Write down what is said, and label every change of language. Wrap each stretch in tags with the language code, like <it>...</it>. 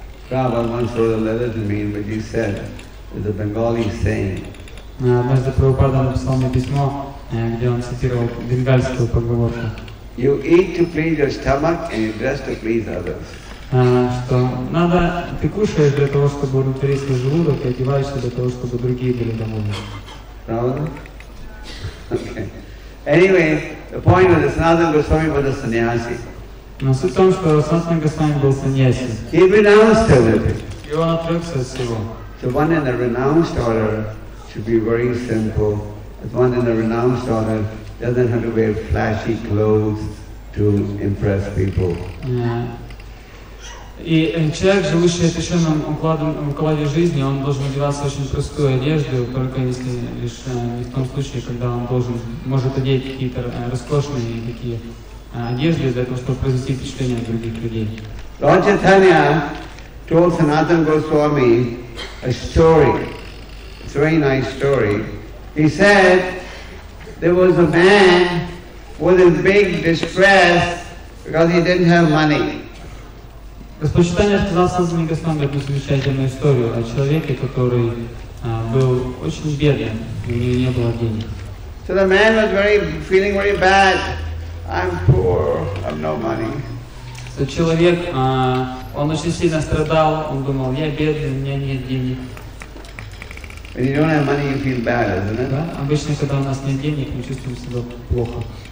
<en>Prabhupada once wrote a letter to me, but he said, the Bengali saying.</en> <ru>Однажды Прабхупада написал мне письмо, где он цитировал бенгальскую поговорку.</ru> <en>You eat to please your stomach and you dress to please others.</en> <ru>Что надо, ты кушаешь для того, чтобы удовлетворить свой желудок, и одеваешься для того, чтобы другие были довольны. Правда? Okay.</ru> <en>Anyway, the point was that Sanatana Goswami was a sannyasi.</en> <ru>Но суть в том, что Sanatana Goswami был sannyasi.</ru> <en>He renounced everything.</en> <ru>И он отрекся от всего.</ru> <en>So one in a renounced order should be very simple. As one in a renounced order doesn't have to wear flashy clothes to impress people. Yeah.</en> <ru>И человек, живущий отрешенным укладом жизни, он должен одеваться очень простую одежду, только если лишь не в том случае, когда он должен может одеть какие-то роскошные такие одежды для того, чтобы произвести впечатление от других людей.</ru> <en>Lord Chaitanya told Sanatana Goswami a story. It's a very nice story. He said there was a man who was in big distress because he didn't have money.</en> <ru>Господь Чайтанья сказал Санатана Госвами одну замечательную историю о человеке, который был очень беден, у него не было денег.</ru> <en>So the man was very feeling very bad. I'm poor, I've no money.</en> <ru>So человек, он очень сильно страдал, он думал, я бедный, у меня нет денег.</ru> <en>When you don't have money, you feel bad, isn't it?</en> <ru>Обычно, когда у нас нет денег, мы чувствуем себя плохо.</ru>